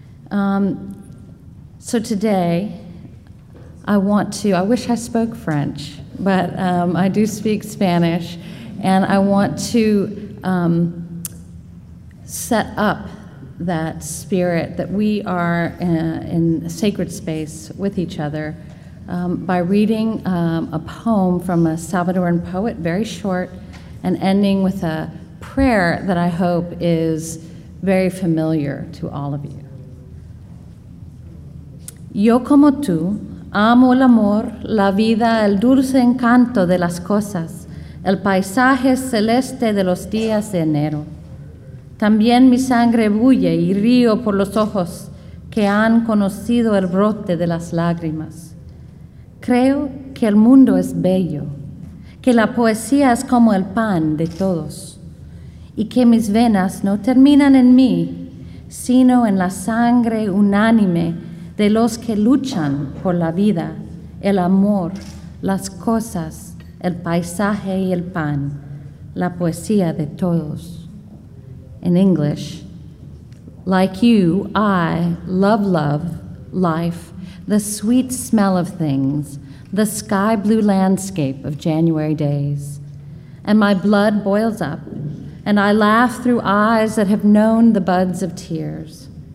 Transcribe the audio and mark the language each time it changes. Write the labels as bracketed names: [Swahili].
[English] So today, I wish I spoke French, but I do speak Spanish, and I want to set up that spirit that we are in sacred space with each other by reading a poem from a Salvadoran poet, very short, and ending with a prayer that I hope is very familiar to all of you. [Spanish] Yo como tú, amo el amor, la vida, el dulce encanto de las cosas, el paisaje celeste de los días de enero. También mi sangre bulle y río por los ojos que han conocido el brote de las lágrimas. Creo que el mundo es bello, que la poesía es como el pan de todos, y que mis venas no terminan en mí, sino en la sangre unánime de los que luchan por la vida, el amor, las cosas, el paisaje y el pan, la poesía de todos. [English] In English, like you, I love love, life, the sweet smell of things, the sky blue landscape of January days. And my blood boils up, and I laugh through eyes that have known the buds of tears.